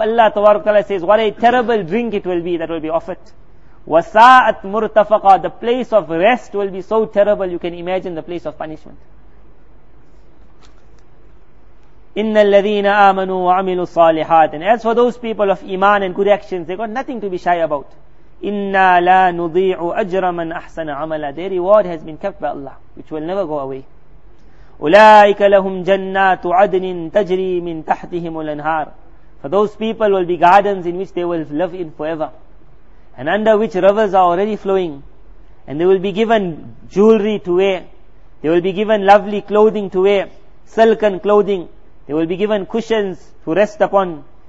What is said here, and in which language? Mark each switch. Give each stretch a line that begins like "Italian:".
English: Allah Ta'ala says, what a terrible drink it will be that will be offered.
Arabic: وَسَاءَتْ مُرْتَفَقَ.
English: The place of rest will be so terrible, you can imagine the place of punishment.
Arabic: إِنَّ الَّذِينَ آمَنُوا وَعَمِلُوا الصَّالِحَاتِ.
English: And as for those people of iman and good actions, they got nothing to be shy about.
Arabic: إِنَّا لَا نُضِيعُ أَجْرَ مَنْ أَحْسَنَ عَمَلًا.
English: Their reward has been kept by Allah, which will never go away.
Arabic: أُولَٰئِكَ لَهُمْ جَنَّاتُ عَدْنٍ تَجْرِي مِنْ تَحْتِهِمُ الْأَنْهَارِ.
English: For those people will be gardens in which they will live in forever, and under which rivers are already flowing, and they will be given jewelry to wear, they will be given lovely clothing to wear, silken clothing, they will be given cushions to rest upon.